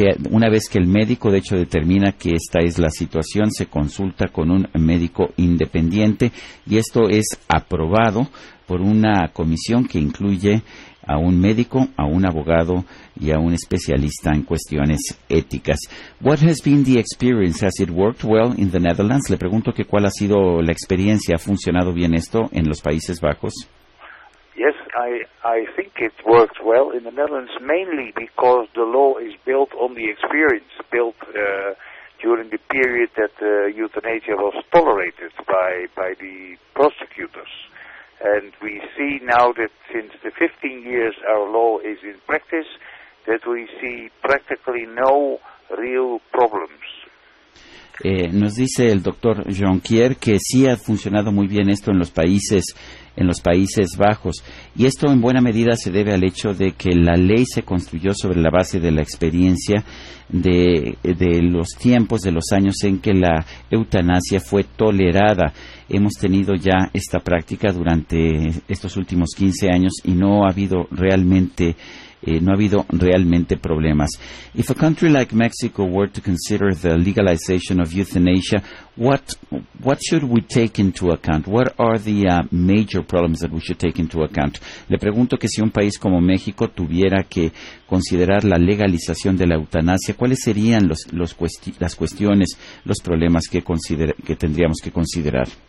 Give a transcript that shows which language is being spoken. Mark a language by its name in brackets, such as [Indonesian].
[Spanish] Una vez que el médico, de hecho, determina que esta es la situación, se consulta con un médico independiente y esto es aprobado por una comisión que incluye a un médico, a un abogado y a un especialista en cuestiones éticas. [English] What has been the experience? Has it worked well in the Netherlands? [Spanish] Le pregunto que cuál ha sido la experiencia. ¿Ha funcionado bien esto en los Países Bajos? [English] Yes, I think it works well in the Netherlands, mainly because the law is built on the experience, built during the period that euthanasia was tolerated by the prosecutors. And we see now that since the 15 years our law is in practice, that we see practically no real problems. [Spanish] Nos dice el doctor Jonquier que sí ha funcionado muy bien esto en los Países Bajos. Y esto en buena medida se debe al hecho de que la ley se construyó sobre la base de la experiencia de los tiempos, de los años en que la eutanasia fue tolerada. Hemos tenido ya esta práctica durante estos últimos 15 años y no ha habido realmente problemas. [English] If a country like Mexico were to consider the legalization of euthanasia, what should we take into account? What are the major problems that we should take into account? [Spanish] Le pregunto que si un país como México tuviera que considerar la legalización de la eutanasia, ¿cuáles serían los problemas que tendríamos que considerar?